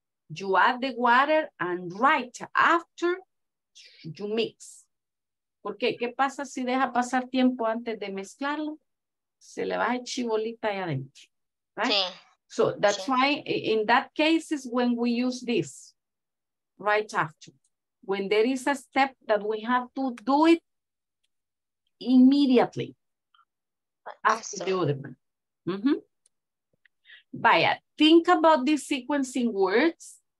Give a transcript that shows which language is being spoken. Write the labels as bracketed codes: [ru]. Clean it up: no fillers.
[en] You add the water and right after you mix. [es] ¿Por qué? ¿Qué pasa si deja pasar tiempo antes de mezclarlo? Se le va a chibolita ahí adentro. [en] Right? [es] Sí. [en] So that's why in that case is when we use this. Right after. When there is a step that we have to do it immediately. After the other one. Mm-hmm. Vaya, think about these sequencing words.